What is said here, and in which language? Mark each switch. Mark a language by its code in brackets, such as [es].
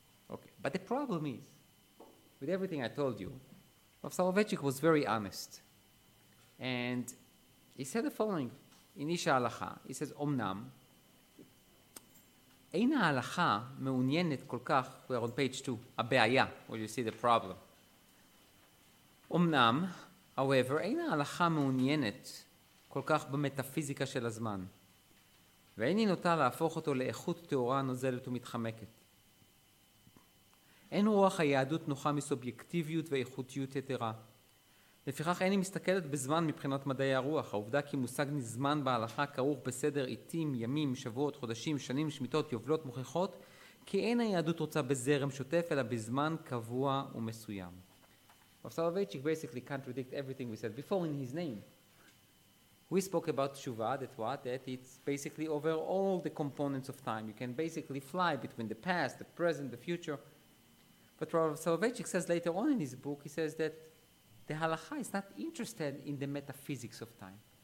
[en] Okay, but the problem is, with everything I told you, Rav Soloveitchik was very honest. And he said the following, in Isha Halacha, he says, [he] Omnam, Eina Halacha meunyenet kol kach, [en] we're on page 2, Abaya, where you see the problem. [he] Omnam, [en] however, [he] Eina Halacha meunyenet כל כך במטאפיזיקה של הזמן, ואין היא נוטה להפוך אותו לאיכות תאורה נוזלת ומתחמקת. אין רוח היהדות נוחה מסובייקטיביות ואיכותיות יתרה. לפיכך אין היא מסתכלת בזמן מבחינת מדעי הרוח. העובדה כי מושג נזמן בהלכה כרוך בסדר עיתים, ימים, שבועות, חודשים, שנים, שמיטות, יובלות, מוכיחות, כי אין היהדות רוצה בזרם שוטף, אלא בזמן קבוע ומסוים. [en] Rav Soloveitchik basically contradict everything we said before in his name. We spoke about teshuva, that it's basically over all the components of time. You can basically fly between the past, the present, the future. But Rav Soloveitchik says later on in his book, he says that the halakha is not interested in the metaphysics of time.